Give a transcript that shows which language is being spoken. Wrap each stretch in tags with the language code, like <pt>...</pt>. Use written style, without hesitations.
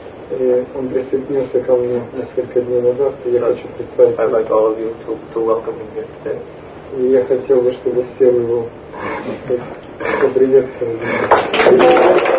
<ru>И он присоединился ко мне несколько дней назад, и я хочу представить.</ru> <en>I'd like all of you to welcome him here today.</en> <ru>И я хотел бы, чтобы все его поприветствовали.</ru>